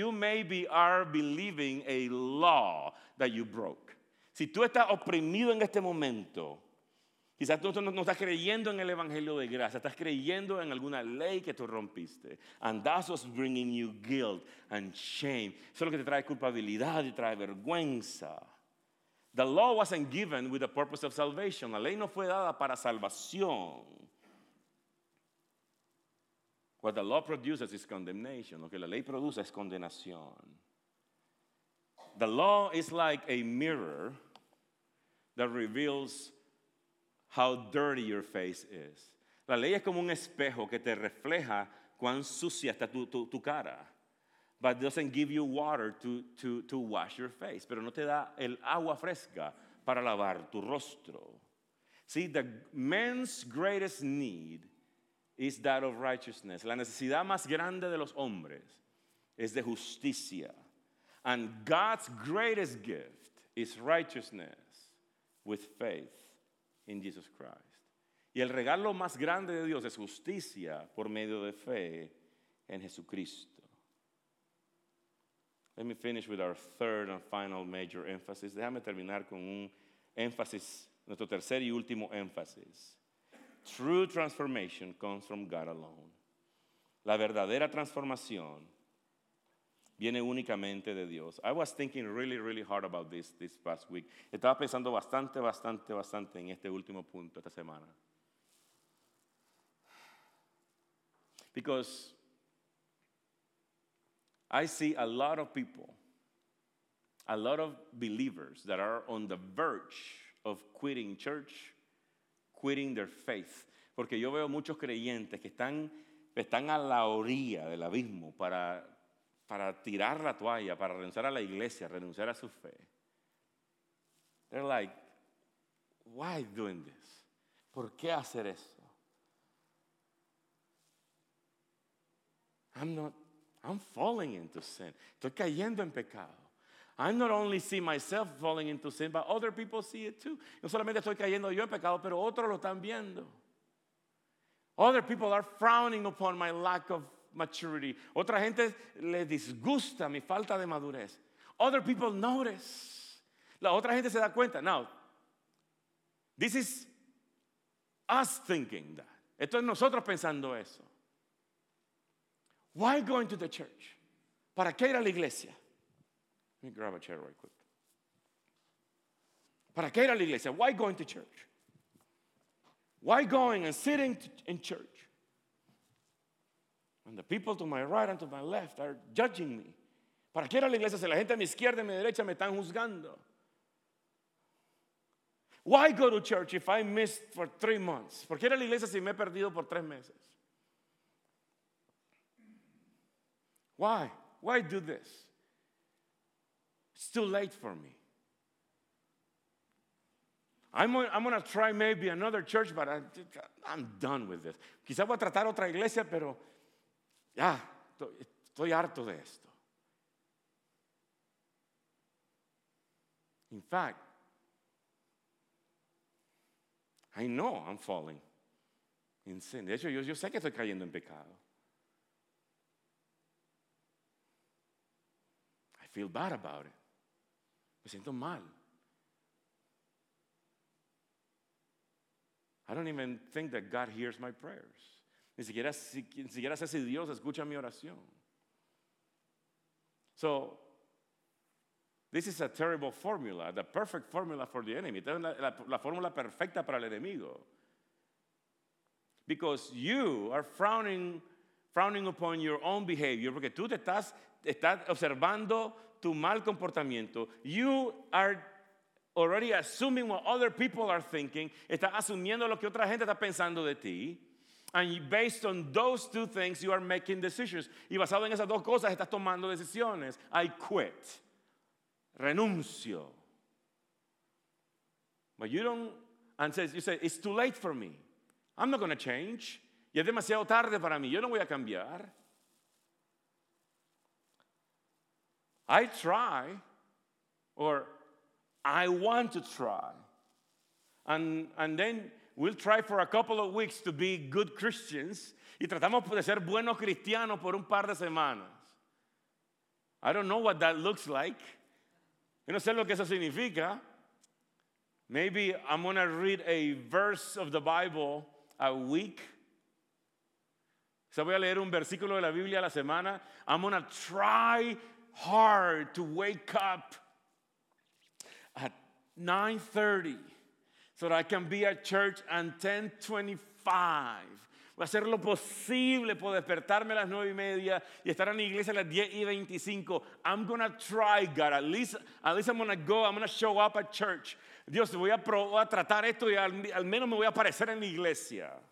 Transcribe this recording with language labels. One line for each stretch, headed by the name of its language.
English: You maybe are believing a law that you broke.
Spanish: Si tú estás oprimido en este momento, quizás tú no estás creyendo en el evangelio de gracia, estás creyendo en alguna ley que tú rompiste.
English: And that's what's bringing you guilt and shame.
Spanish: Eso es lo que te trae culpabilidad y trae vergüenza.
English: The law wasn't given with the purpose of salvation.
Spanish: La ley no fue dada para salvación.
English: What the law produces is condemnation.
Spanish: Lo que la ley produce es condenación.
English: The law is like a mirror that reveals how dirty your face is.
Spanish: La ley es como un espejo que te refleja cuán sucia está tu cara.
English: But it doesn't give you water to wash your face.
Spanish: Pero no te da el agua fresca para lavar tu rostro.
English: See, the man's greatest need is that of righteousness.
Spanish: La necesidad más grande de los hombres es de justicia.
English: And God's greatest gift is righteousness with faith in Jesus Christ.
Spanish: Y el regalo más grande de Dios es justicia por medio de fe en Jesucristo.
English: Let me finish with our third and final major emphasis.
Spanish: Déjame terminar con un énfasis, nuestro tercer y último énfasis.
English: True transformation comes from God alone.
Spanish: La verdadera transformación viene únicamente de Dios.
English: I was thinking really, really hard about this past week.
Spanish: Estaba pensando bastante, bastante, bastante en este último punto esta semana.
English: Because I see a lot of people, a lot of believers that are on the verge of quitting church, quitting their faith.
Spanish: Porque yo veo muchos creyentes que están a la orilla del abismo para tirar la toalla, para renunciar a la iglesia, renunciar a su fe.
English: They're like, why doing this?
Spanish: ¿Por qué hacer eso?
English: I'm falling into sin.
Spanish: Estoy cayendo en pecado.
English: I not only see myself falling into sin, but other people see it too.
Spanish: No solamente estoy cayendo yo en pecado, pero otros lo están viendo.
English: Other people are frowning upon my lack of maturity.
Spanish: Otra gente le disgusta mi falta de madurez.
English: Other people notice.
Spanish: La otra gente se da cuenta.
English: Now, this is us thinking that.
Spanish: Esto es nosotros pensando eso.
English: Why going to the church?
Spanish: ¿Para qué ir a la iglesia?
English: Let me grab a chair right quick.
Spanish: ¿Para qué ir a la iglesia?
English: Why going to church? Why going and sitting in church? And the people to my right and to my left are judging me.
Spanish: ¿Para qué ir a la iglesia si la gente a mi izquierda y a mi derecha me están juzgando?
English: Why go to church if I missed for 3 months?
Spanish: ¿Por qué ir a la iglesia si me he perdido por 3 meses?
English: Why? Why do this? It's too late for me. I'm going to try maybe another church, but I'm done with this.
Spanish: Quizá voy a tratar otra iglesia, pero ya, estoy harto de esto.
English: In fact, I know I'm falling in sin.
Spanish: De hecho, yo sé que estoy cayendo en pecado.
English: I feel bad about it.
Spanish: Me siento mal.
English: I don't even think that God hears my prayers.
Spanish: Ni siquiera sé si Dios escucha mi oración.
English: So, this is a terrible formula, the perfect formula for the enemy.
Spanish: Esta es la fórmula perfecta para el enemigo.
English: Because you are frowning upon your own behavior,
Spanish: porque tú te estás observando tu mal comportamiento.
English: You are already assuming what other people are thinking.
Spanish: Está asumiendo lo que otra gente está pensando de ti.
English: And based on those two things, you are making decisions.
Spanish: Y basado en esas dos cosas, estás tomando decisiones.
English: I quit.
Spanish: Renuncio.
English: But you don't, and says, you say, it's too late for me. I'm not going to change.
Spanish: Y es demasiado tarde para mí. Yo no voy a cambiar.
English: I try, or I want to try, and then we'll try for a couple of weeks to be good Christians,
Spanish: y tratamos de ser buenos cristianos por un par de semanas.
English: I don't know what that looks like.
Spanish: Yo no sé lo que eso significa.
English: Maybe I'm going to read a verse of the Bible a week.
Spanish: So voy a leer un versículo de la Biblia a la semana.
English: I'm going to try hard to wake up 9:30, so that I can be at church at 10:25.
Spanish: Voy a hacer lo posible por despertarme a las 9:30 y estar en la iglesia a las 10:25.
English: I'm going to try, God. At least I'm going to go. I'm going to show up at church.
Spanish: Dios, voy a tratar esto y al menos me voy a aparecer en la iglesia.